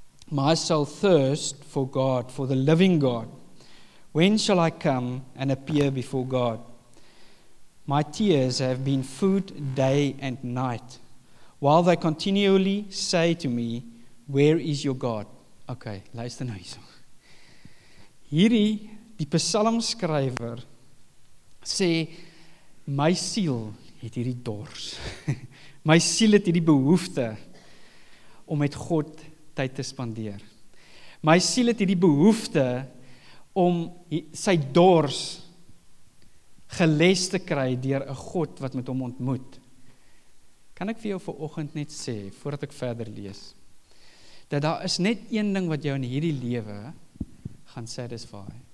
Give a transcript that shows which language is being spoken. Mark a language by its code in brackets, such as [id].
[en] My soul thirsts for God, for the living God. When shall I come and appear before God? My tears have been food day and night, while they continually say to me, where is your God? [af] Okay, luister nou hierso. Hierdie, die psalmskrywer, sê, my siel het hierdie dors. My siel het hierdie behoefte om met God tyd te spandeer. My siel het hierdie behoefte om sy dors geles te kry deur 'n God wat met hom ontmoet. Kan ek vir jou vanoggend net sê, voordat ek verder lees, dat daar is net een ding wat jou in hierdie lewe gaan satisfy.